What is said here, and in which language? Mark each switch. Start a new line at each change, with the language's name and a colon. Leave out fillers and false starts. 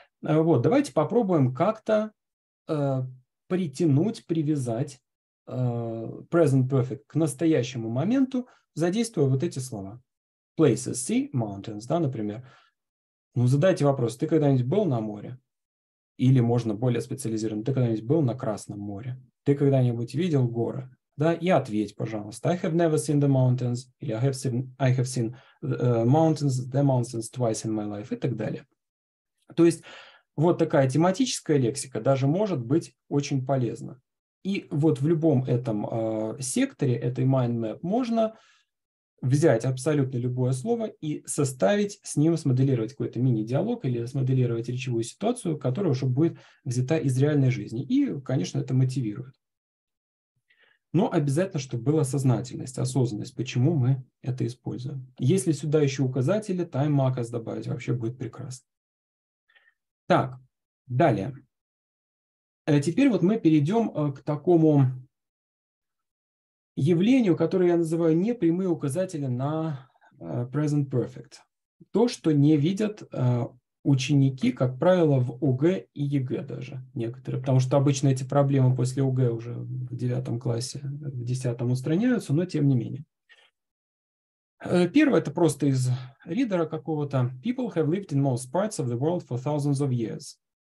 Russian: Вот, давайте попробуем как-то притянуть, привязать present perfect к настоящему моменту, задействуя вот эти слова.
English: Places, sea, mountains,
Russian: да, например. Ну, задайте вопрос, ты когда-нибудь был на море? Или можно более специализированно, ты когда-нибудь был на Красном море? Ты когда-нибудь видел горы? Да, и ответь, пожалуйста.
English: I have never seen the mountains.
Russian: Или
English: I have seen the mountains twice in my life.
Russian: И так далее. То есть вот такая тематическая лексика даже может быть очень полезна. И вот в любом этом секторе, этой mind map, можно взять абсолютно любое слово и составить с ним, смоделировать какой-то мини-диалог или смоделировать речевую ситуацию, которая уже будет взята из реальной жизни. И, конечно, это мотивирует. Но обязательно, чтобы была сознательность, осознанность, почему мы это используем. Если сюда еще указатели, тайм-макас добавить, вообще будет прекрасно. Так, далее. Теперь вот мы перейдем к такому явлению, которое я называю непрямые указатели на present perfect. То, что не видят ученики, как правило, в ОГЭ и ЕГЭ даже некоторые. Потому что обычно эти проблемы после ОГЭ уже в 9 классе, в 10 устраняются, но тем не менее. Первое, это просто из ридера какого-то.
English: People have lived in most parts of the world for thousands of years.